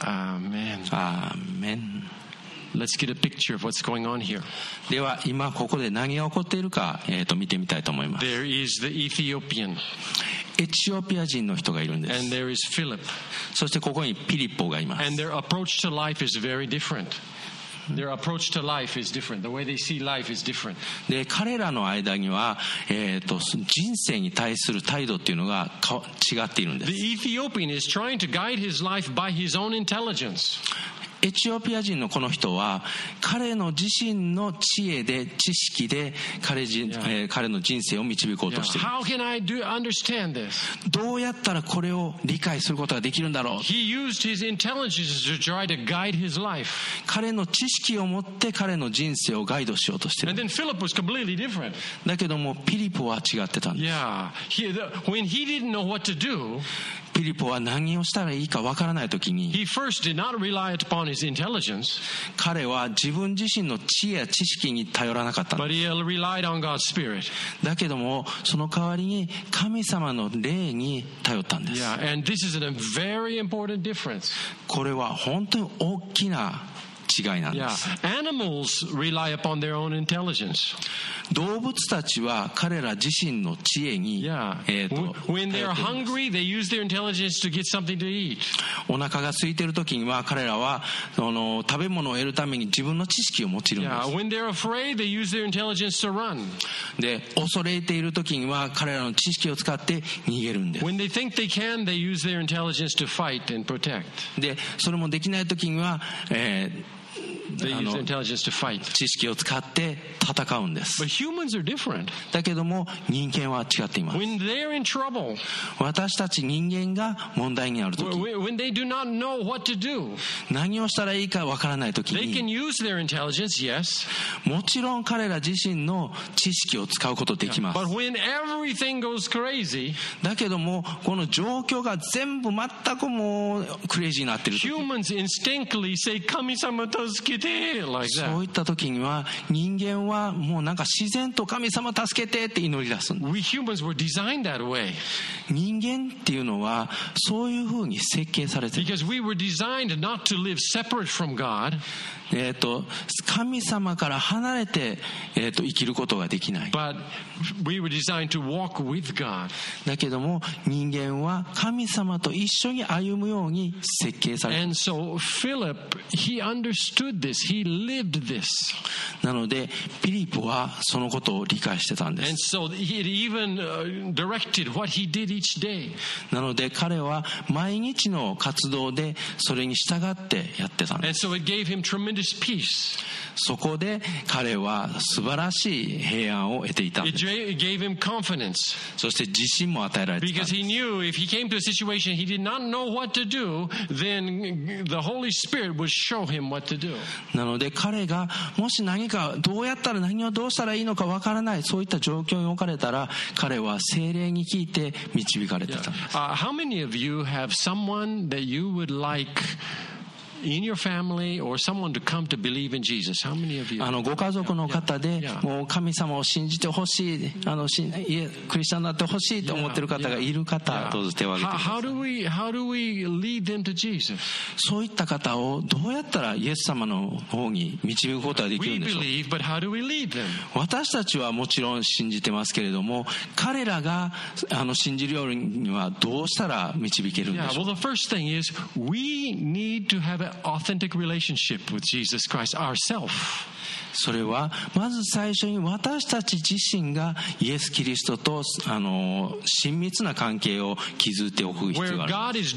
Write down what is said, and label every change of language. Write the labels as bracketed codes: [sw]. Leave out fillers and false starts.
[ja] アーメン。アーメン。 [en] Let's get a picture of what's going on here. [ja] では今ここで何が起こっているか、見てみたいと思います。 [en] There is the Ethiopian. [ja] エチオピア人の人がいるんです。 [en] And there is Philip. [ja] そしてここにピリッポがいます。 [en] And their approach to life is very different. Their approach to life is different. The way they see life is different. [ja] で彼らの間には、人生に対する態度っていうのが違っているんです。 [en] The Ethiopian is trying to guide his life by his own intelligence. [ja] エチオピア人のこの人は彼の自身の知恵で知識で 彼の人生を導こうとしている。 [en] How can I understand this? [ja] どうやったらこれを理解することができるんだろう。 [en] He used his intelligence to try to guide his life. [ja] 彼の知識を持って彼の人生をガイドしようとしている。 [en] And then Philip was completely different. [ja] だけどもピリポは違ってたんです。 [en] Yeah. When he didn't know what to do, [ja] フィリポは何をしたらいいかわからないときに、 [en] He first did not rely upon his intelligence, [ja] 彼は自分自身の知恵や知識に頼らなかったんです。 [en] But he relied on God's spirit. [ja] だけどもその代わりに神様の霊に頼ったんです。 [en] Yeah, and this is a very important difference. [ja] これは本当に大きな違いなんです。 [en] Yeah, animals rely upon their own intelligence. [ja] 動物たちは彼ら自身の知恵に、 [en] When they are hungry, they use their intelligence to get something to eat. [ja] お腹が空いている時には彼らは食べ物を得るために自分の知識を持ちるんです。 [en] Yeah, when they are afraid, they use their intelligence to run. [ja] で、恐れている時には彼らの知識を使って逃げるんです。 [en] When they think they can, they use their intelligence to fight and protect. [ja] で、それもできない時には、 [en] They use intelligence to fight. [ja] 知識を使って戦うんです。 [en] But humans are different. [ja] だけども人間は違っています。 [en] When they're in trouble, [ja] 私たち人間が問題にあるとき、 [en] When they do not know what to do, [ja] 何をしたらいいかわからないときに、 [en] They can use their intelligence, yes. [ja] もちろん彼ら自身の知識を使うことができます。 [en] But when everything goes crazy, [ja] だけどもこの状況が全部全くもうクレイジーになっているとき、 [en] Humans instinctively say, [ja] 神様と助けて、 [en] like、that. [ja] そういった時には人間はもうなんか自然と神様助けてって祈り出すんです。 [en] We humans were designed that way. [ja] 人間っていうのはそういう風に設計されてる。 [en] Because we were designed not to live separate from God. [ja] 神様から離れて、生きることができない。 [en] But we were designed to walk with God. [ja] だけども人間は神様と一緒に歩むように設計されてる。 [en] And so Philip, he understood this. He lived this. [ja] なのでピリポはそのことを理解してたんです。 [en] And so he had even directed what he did each day. [ja] なので彼は毎日の活動でそれに従ってやってたんです。 [en] And so it gave him tremendous peace. [ja] そこで彼は素晴らしい平安を得ていたんです。 [en] It gave him confidence. [ja] そして自信も与えられてたんです。 [en] Because he knew if he came to a situation he did not know what to do, then the Holy Spirit would show him what to do. [ja] なので彼がもし何かどうやったら何をどうしたらいいのかわからない、そういった状況に置かれたら彼は聖霊に聞いて導かれてたんです。 [en] How many of you have someone that you would like in your family or someone to come to believe in Jesus? How many of you? [ja] ご家族の方でもう神様を信じてほしい、クリスチャンになってほしいと思っている方がいる方、どうぞ手を挙げてください。 [en] How do we lead them to Jesus? [ja] そういった方をどうやったらイエス様の方に導くことができるんでしょう。 [en] We believe, but how do we lead them? [ja] 私たちはもちろん信じてますけれども、彼らが信じるようにはどうしたら導けるんでしょう。 [en] Yeah, well, the first thing is we need to haveAn authentic relationship with Jesus Christ ourselves. [ja] それはまず最初に私たち自身がイエス・キリストと親密な関係を築いておく必要があります。